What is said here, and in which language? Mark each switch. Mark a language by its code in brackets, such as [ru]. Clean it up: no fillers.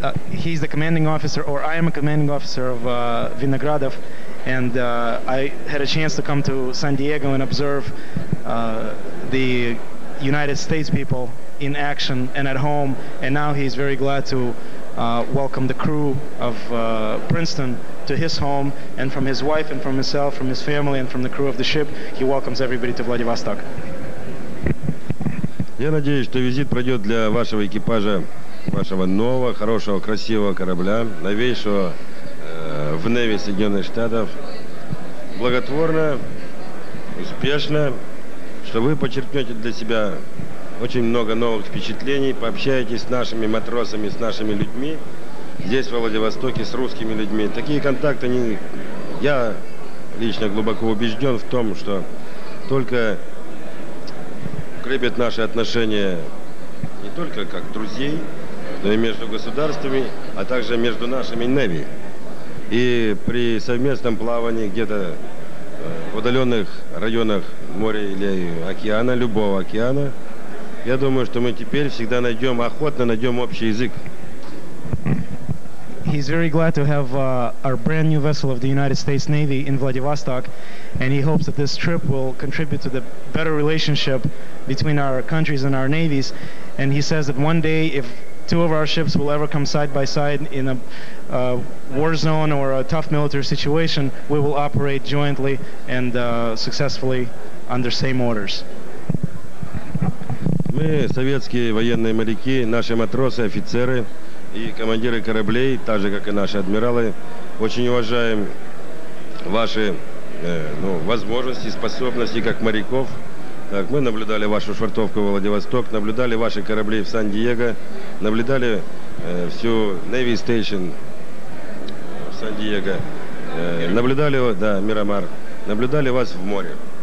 [en] He's the commanding officer, or I am a commanding officer of Vinogradov, and I had a chance to come to San Diego and observe the United States people in action and at home, and now he's very glad to welcome the crew of Princeton to his home, and from his wife and from himself, from his family and from the crew of the ship, he welcomes everybody to Vladivostok. [ru] Я надеюсь, что визит пройдет для вашего экипажа, вашего нового, хорошего, красивого корабля, новейшего в Неве Соединенных Штатов, благотворно, успешно, что вы подчеркнете для себя очень много новых впечатлений, пообщаетесь с нашими матросами, с нашими людьми здесь, во Владивостоке, с русскими людьми. Такие контакты, они, я лично глубоко убежден в том, что только укрепят наши отношения не только как друзей, но и между государствами, а также между нашими Неви. И при совместном плавании где-то в удаленных районах моря или океана, любого океана, я думаю, что мы теперь всегда найдем, охотно найдем общий язык. [en] He's very glad to have our brand new vessel of the United States Navy in Vladivostok, and he hopes that this trip will contribute to the better relationship between our countries and our navies. And he says that one day, if two of our ships will ever come side by side in a war zone or a tough military situation, we will operate jointly and successfully under same orders. [ru] Мы советские военные моряки, наши матросы, офицеры и командиры кораблей, так же, как и наши адмиралы, очень уважаем ваши возможности, способности как моряков. Так, мы наблюдали вашу швартовку в Владивосток, наблюдали ваши корабли в Сан-Диего, наблюдали всю Navy Station в Сан-Диего, наблюдали, да, Мирамар, наблюдали вас в море.